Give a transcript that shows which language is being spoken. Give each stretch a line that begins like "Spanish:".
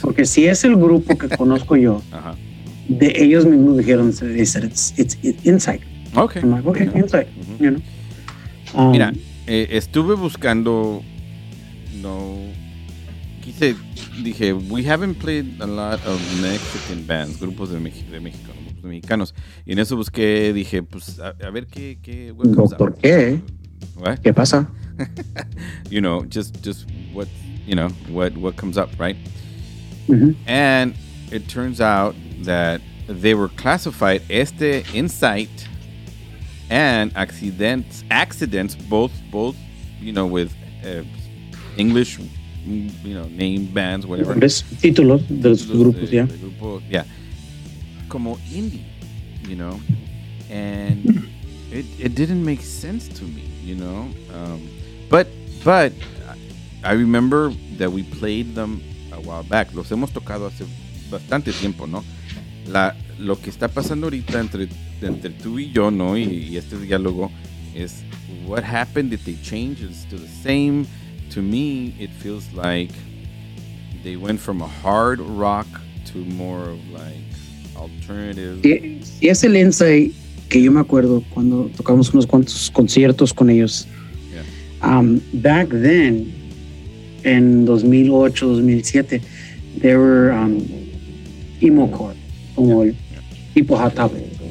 Spanish: Porque si es el grupo que conozco yo, uh-huh. de ellos mismos dijeron,
English: they said it's Insight. Okay. I'm like, okay, Insight. Uh-huh. You know.
Spanish: Mira, estuve buscando, no, quise, dije,
English: we haven't played a lot of Mexican bands,
Spanish: grupos de México, ¿no? Grupos de mexicanos. Y en eso busqué, dije, pues, a ver qué, qué. ¿Por qué?
English: What?
Spanish: ¿Qué pasa?
English: You know, just what, you know, what comes up, right? Mm-hmm. And it turns out that they were classified, este Insight and accidents, both, you know, with English, you know, name bands, whatever.
Spanish: Títulos de los grupos, yeah. De grupo, yeah. Como indie,
English: you know, and it didn't make sense to me, you know, but I remember that we played them a while back.
Spanish: Los hemos tocado hace bastante tiempo, ¿no? Lo que está pasando ahorita entre tú y yo, ¿no? Y este diálogo es,
English: what happened? Did they change? It's still the same. To me, it feels like they went from a hard rock to more of like alternative.
Spanish: Y es el Insight que yo me acuerdo cuando tocamos unos cuantos conciertos con ellos.
English: Back then, in 2008-2007, they were emocore,
Spanish: tipo Hot Topic,